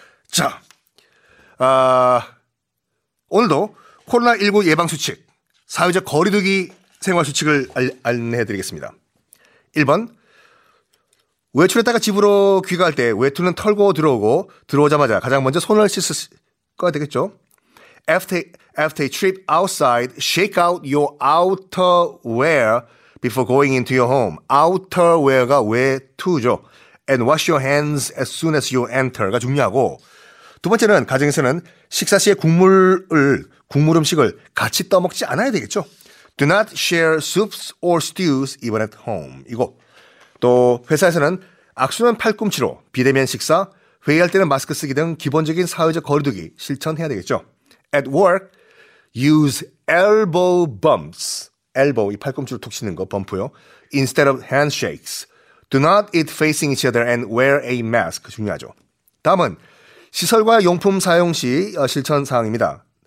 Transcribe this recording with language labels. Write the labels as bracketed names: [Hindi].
[Korean] 자, 오늘도 코로나19 예방수칙, 사회적 거리두기 생활수칙을 안내해드리겠습니다. 1번 외출했다가 집으로 귀가할 때 외투는 털고 들어오고 들어오자마자 가장 먼저 손을 씻을 거야 되겠죠. [English] After a trip outside, shake out your outerwear before going into your home. [Korean] Outerwear가 외투죠. [English] And wash your hands as soon as you enter [Korean] 가 중요하고 두 번째는 가정에서는 식사 시에 국물 음식을 같이 떠먹지 않아야 되겠죠. [English] Do not share soups or stews even at home. [Korean] 이거. 또 회사에서는 악수는 팔꿈치로 비대면 식사, 회의할 때는 마스크 쓰기 등 기본적인 사회적 거리두기 실천해야 되겠죠. [English] At work, use elbow bumps. [Korean] Elbow, 이 팔꿈치로 툭 치는 거, 범프요. [English] Instead of handshakes. Do not eat facing each other and wear a mask. [Korean] 중요하죠. 다음은 시설과 용품 사용 시 실천 사항입니다.